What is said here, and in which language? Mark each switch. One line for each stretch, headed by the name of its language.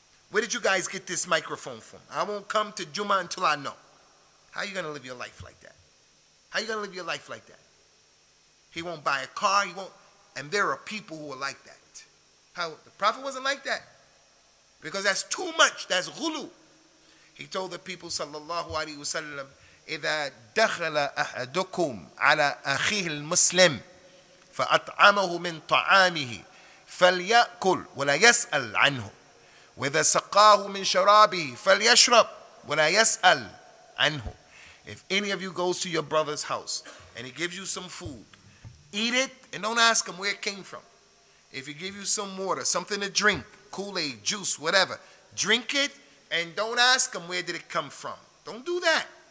English: Where did you guys get this microphone from? I won't come to Juma until I know. How are you going to live your life like that? How are you going to live your life like that? He won't buy a car. He won't. And there are people who are like that. How? The Prophet wasn't like that. Because that's too much. That's ghulu. He told the people,
Arabic: sallallahu alayhi wa sallam, إِذَا دَخَلَ أَحَدُكُمْ عَلَىٰ أَخِيهِ الْمُسْلِمِ فَأَطْعَمَهُ مِنْ طَعَامِهِ فَلْيَأْكُلْ وَلَا يَسْأَلْ عَنْهُ وَإِذَا سَقَاهُ مِنْ شَرَابِهِ فَلْيَشْرَبْ وَلَا يَسْأَلْ عَنْهُ.
English: If any of you goes to your brother's house and he gives you some food, eat it and don't ask him where it came from. If he gives you some water, something to drink, Kool-Aid, juice, whatever, drink it and don't ask him where did it come from. Don't do that.